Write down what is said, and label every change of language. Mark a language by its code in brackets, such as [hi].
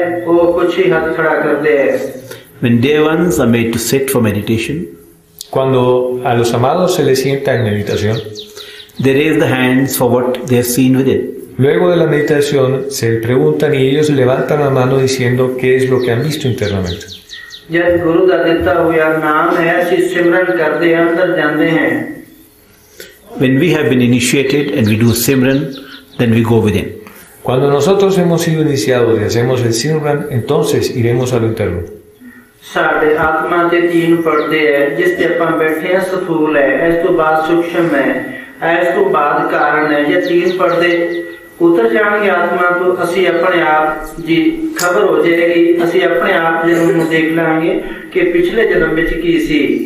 [en] When dear ones are made to sit for meditation, [es] cuando a los amados se les sienta en meditación, [en] they raise the hands for what they have seen within. [es] Luego de la meditación se preguntan y ellos levantan la mano diciendo qué es lo que han visto internamente. [pa] ਜਦ ਗੁਰੂ ਦਾ ਦਿੱਤਾ ਹੋਇਆ ਨਾਮ ਹੈ ਅਸੀਂ ਸਿਮਰਨ ਕਰਦੇ ਹਾਂ ਅੰਦਰ ਜਾਂਦੇ ਹਾਂ [en] When we have been initiated and we do simran then we go within [es] Cuando nosotros hemos sido iniciados y hacemos el simran entonces iremos al interno [pa] ਸਾਡੇ ਆਤਮਾ ਤੇ ਤੀਨ ਪਰਦੇ ਹੈ ਜਿਸ ਤੇ ਆਪਾਂ ਬੈਠੇ ਹਾਂ ਸਥੂਲ ਹੈ ਇਸ ਤੋਂ ਬਾਅਦ ਸੂਖਸ਼ਮ ਹੈ ਇਸ ਤੋਂ ਬਾਅਦ ਕਾਰਨ ਹੈ ਜੇ ਤੀਨ ਪਰਦੇ ਉਤਰ ਜਾਣਗੇ ਆਤਮਾ ਤੋਂ ਅਸੀਂ ਆਪਣੇ ਆਪ ਦੀ ਖਬਰ ਹੋ ਜਾਏਗੀ ਅਸੀਂ ਆਪਣੇ ਆਪ ਜਨਮ ਨੂੰ ਦੇਖ ਲਾਂਗੇ ਕਿ ਪਿਛਲੇ ਜਨਮ ਵਿੱਚ ਕੀ ਸੀ